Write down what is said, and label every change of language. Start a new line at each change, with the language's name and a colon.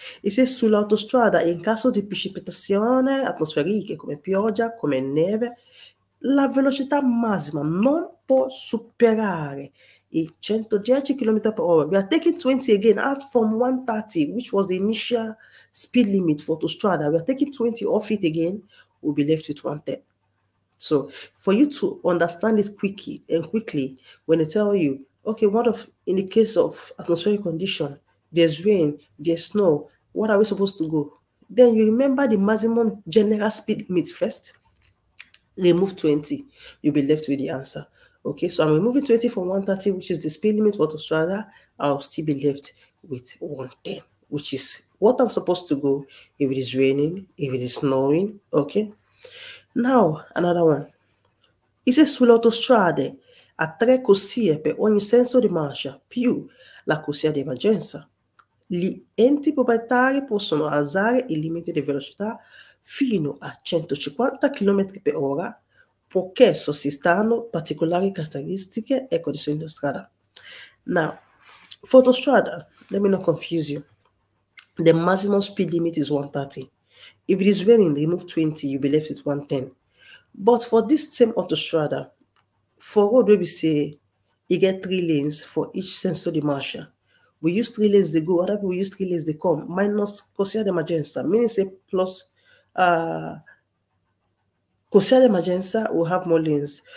English: It says,
Italian: sull'autostrada, in caso di precipitazione atmosferiche, come pioggia, come neve, la velocità massima non può superare i 110 km per ora.
English: We are taking 20 again, out from 130, which was the initial speed limit for autostrada. We are taking 20 off it again, we'll be left with 110. So, for you to understand it quickly and quickly, when I tell you, okay, what if in the case of atmospheric condition, there's rain, there's snow, what are we supposed to go? Then you remember the maximum general speed limit first. Remove 20, you'll be left with the answer. Okay, so I'm removing 20 from 130, which is the speed limit for autostrada. I'll still be left with 110, which is what I'm supposed to go if it is raining, if it is snowing. Okay, now another one. It says sull'autostrada.
Italian: A tre corsie per ogni senso di marcia più la corsia di emergenza. Gli enti proprietari possono alzare il limite di velocità fino a 150 km per ora, poiché sussistano particolari caratteristiche e condizioni di strada.
English: Now, for the strada, let me not confuse you. The maximum speed limit is 130. If it is raining, remove 20, you'll be left with 110. But for this same autostrada, for road where we say you get 3 lanes for each sensor de marche, we use 3 lanes to go, other people use 3 lanes to come, minus consider the magenta, meaning say plus consider the magenta, we'll have more lanes.